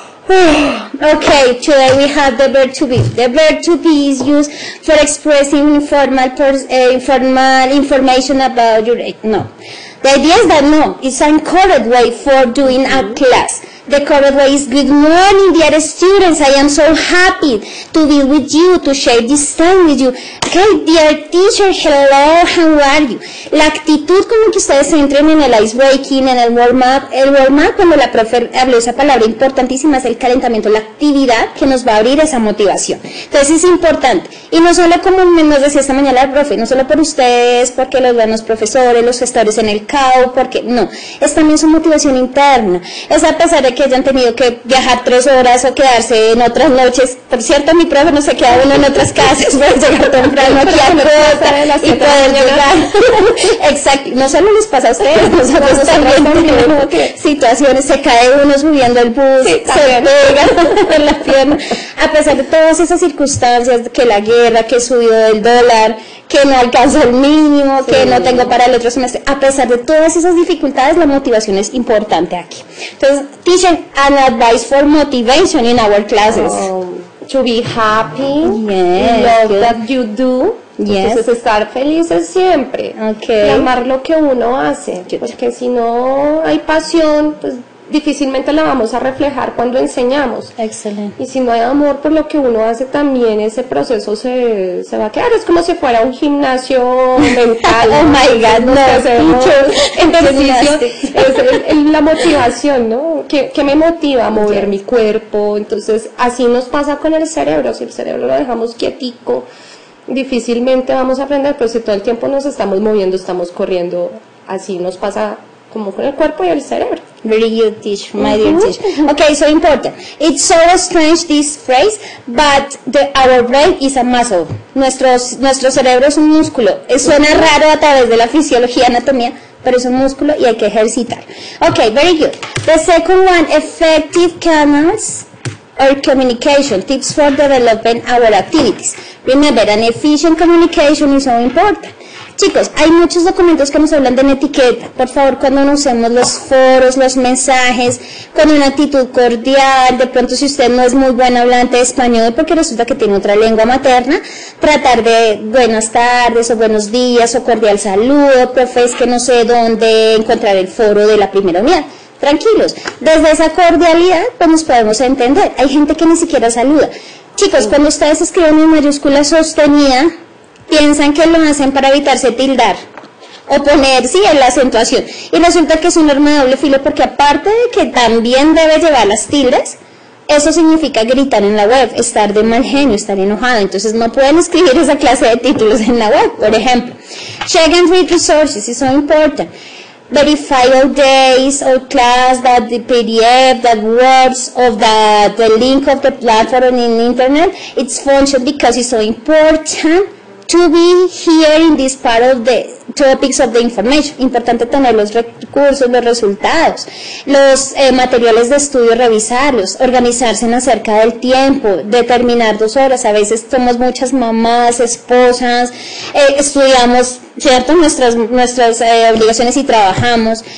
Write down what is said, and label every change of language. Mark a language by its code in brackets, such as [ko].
[en] Okay, today we have the verb to be. The verb to be is used for expressing informal informal information about your... No. The idea is that no, it's an incorrect way for doing a class. The correct way is, good morning, dear students. I am so happy to be with you, to share this time with you. Okay, dear teacher, hello, how are you? [es] La actitud como que ustedes entren en el ice breaking, en el warm up. El warm up, cuando la profe habló esa palabra importantísima, es el calentamiento, la actividad que nos va a abrir esa motivación. Entonces es importante. Y no solo como nos decía esta mañana la profe, no solo por ustedes, porque los buenos profesores, los gestores en el CAO, porque no. Es también su motivación interna. Es a pesar de que hayan tenido que viajar 3 horas o quedarse en otras noches. Por cierto, mi profe no se queda uno en otras casas, puede llegar temprano aquí a Costa y poder llegar. Exacto, no solo les pasa a ustedes, nosotros también tenemos situaciones, se cae uno subiendo el bus, sí, se pega en la pierna. A pesar de todas esas circunstancias, que la guerra, que subió el dólar, que no alcanzo el mínimo, sí, que no tengo para el otro semestre. A pesar de todas esas dificultades, la motivación es importante aquí. [en] Entonces, teacher, an advice for motivation in our classes. To be happy, yes, love good. That you do. Yes. [es] Entonces, estar felices siempre. [en] Okay. [es] Y amar lo que uno hace. [en] Good. [es] Porque si no hay pasión, pues difícilmente la vamos a reflejar cuando enseñamos. Excelente. Y si no hay amor por lo que uno hace, también ese proceso se va a quedar. Es como si fuera un gimnasio mental. [en] Oh my God, no. [es] Ejercicio es la motivación, ¿no? ¿Qué me motiva a mover mi cuerpo? Entonces, así nos pasa con el cerebro. Si el cerebro lo dejamos quietico, difícilmente vamos a aprender. Pero si todo el tiempo nos estamos moviendo, estamos corriendo, así nos pasa como con el cuerpo y el cerebro. [en] Very good teacher, my dear teacher. Okay, so important. It's so strange this phrase, but our brain is a muscle. [es] Nuestro cerebro es un músculo. Suena raro a través de la fisiología, anatomía, pero es un músculo y hay que ejercitar. [en] Okay, very good. The second one, effective canals or communication, tips for developing our activities. Remember, an efficient communication is so important. [es] Chicos, hay muchos documentos que nos hablan de etiqueta. Por favor, cuando nos usemos los foros, los mensajes, con una actitud cordial, de pronto si usted no es muy buen hablante de español porque resulta que tiene otra lengua materna, tratar de buenas tardes o buenos días o cordial saludo, profe, es que no sé dónde encontrar el foro de la primera unidad. Tranquilos, desde esa cordialidad pues nos podemos entender. Hay gente que ni siquiera saluda. Chicos, cuando ustedes escriben en mayúscula sostenida, piensan que lo hacen para evitarse tildar o poner, sí, en la acentuación. Y resulta que es un arma de doble filo porque aparte de que también debe llevar las tildes, eso significa gritar en la web, estar de mal genio, estar enojado. Entonces no pueden escribir esa clase de títulos en la web, por ejemplo. [en] Check and read resources, [es] eso es importante. [en] Verify all days, all class, that the PDF, that words of the link of the platform in the internet, its function, because it's so important to be here in this part of the topics of the information. [es] Importante tener los recursos, los resultados, los materiales de estudio, revisarlos, organizarse acerca del tiempo, determinar 2 horas. A veces somos muchas mamás, esposas, estudiamos, ¿cierto?, nuestras obligaciones y trabajamos.